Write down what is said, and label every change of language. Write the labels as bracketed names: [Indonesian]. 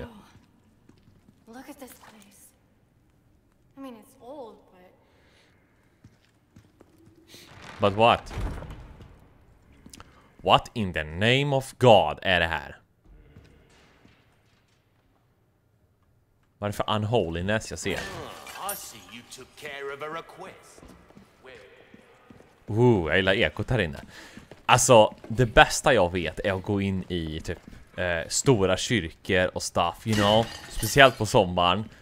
[English] Look at this place. I mean, it's old. But what? What in the name of God [Swedish] är det här? Vad är det för unholiness jag ser? [English] I see you took care of a request. [Swedish] Ooh, jag gillar ekot här inne. Alltså, det bästa jag vet är att gå in i typ stora kyrkor och stuff, you know. Speciellt på sommaren.